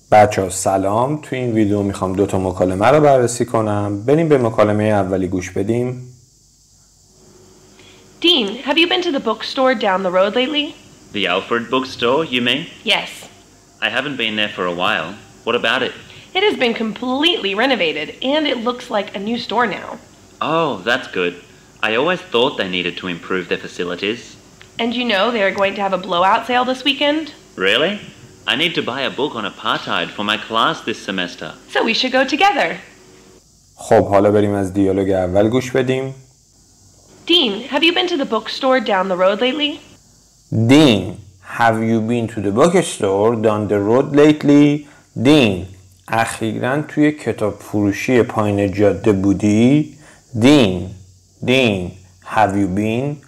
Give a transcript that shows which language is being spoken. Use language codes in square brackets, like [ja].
[fa] بچه ها سلام، تو این ویدیو میخوام دوتا مکالمه رو بررسی کنم. بریم به مکالمه اولی گوش بدیم. [en] Dean, have you been to the bookstore down the road lately? The Alfred bookstore, you mean? Yes. I haven't been there for a while. What about it? It has been completely renovated and it looks like a new store now. Oh, that's good. I always thought they needed to improve their facilities. And you know they are going to have a blowout sale this weekend? Really? I need to buy a book on apartheid for my class this semester. So we should go together. [fa] خب حالا بریم از دیالوگ اول گوش بدیم. [en] Dean, have you been to the bookstore down the road lately? Dean, have you been to the bookstore down the road lately? [fa] Dean, اخیراً توی کتاب فروشی پایین جاده بودی؟ [en] Dean, have you been?